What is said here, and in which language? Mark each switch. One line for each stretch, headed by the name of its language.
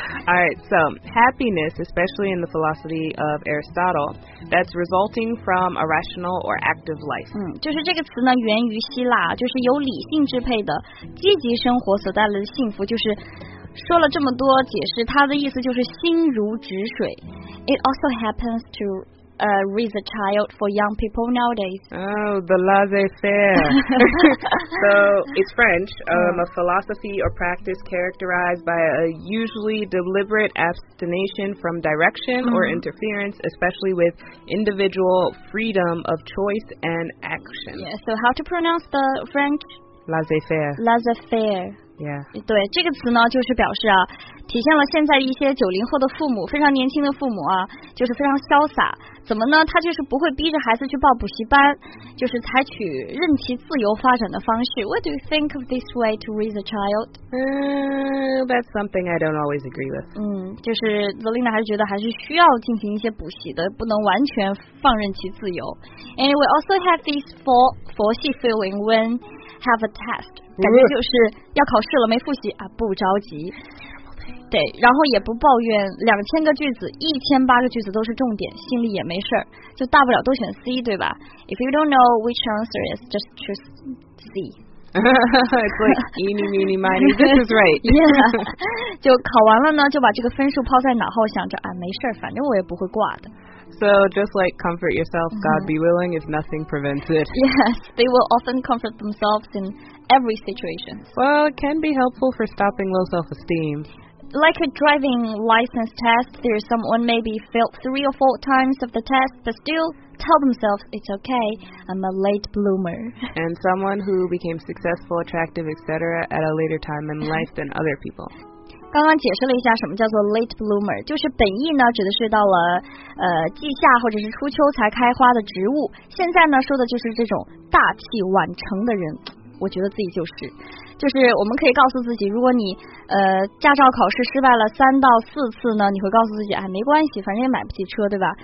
English: All right, so happiness, especially in the philosophy of Aristotle, that's resulting from a rational or active life.
Chinese: 就是这个词呢源于希腊，就是由理性支配的积极生活所带来的幸福。就是说了这么多解释，它的意思就是心如止水。
English: It also happens to... raise a child for young people nowadays. Oh, the laissez-faire. So, it's French, a philosophy or practice characterized by a usually deliberate abstination from direction or interference, especially with individual freedom of choice and action. Yeah, so how to pronounce the French? Laissez-faire. Laissez-faire. Yeah.
Chinese: 对，这个词呢就是表示啊，体现了现在一些90后的父母，非常年轻的父母啊，就是非常潇洒。怎么呢？他就是不会逼着孩子去报补习班，就是采取任其自由发展的方式。
English: What do you think of this way to raise a child? That's something I don't always agree with.
Chinese: 就是 Zelina 还是觉得还是需要进行一些补习的，不能完全放任其自由。
English: And we also have this 佛系 feeling when have a test.
Chinese: 感觉就是要考试了，没复习啊，不着急。对，然后也不抱怨，2000个句子，1800个句子都是重点，心里也没事儿，就大不了都选 C， 对吧 ？
English: If you don't know which answer is, just choose C.
Chinese: It's like eeny, meeny, miny. This is right. Yeah. 就考完了呢，就把这个分数抛在脑后，想着啊，没事，反正我也不会挂的。
English: So just like comfort yourself, God be willing, if nothing prevents it. Yes, they will often comfort themselves in every situation. Well, it can be helpful for stopping low self-esteem. Like a driving license test, there's someone maybe failed 3 or 4 times of the test, but still... tell themselves it's okay, I'm a late bloomer. And someone who became successful, attractive, etc. at a later time in life than other people.
Chinese: 刚刚解释了一下什么叫做 late bloomer, 就是本意呢指的是到了季夏或者是初秋才开花的植物，现在呢说的就是这种大器晚成的人，我觉得自己就是。就是我们可以告诉自己，如果你驾照考试失败了3到4次呢，你会告诉自己，哎，没关系，反正也买不起车，对吧？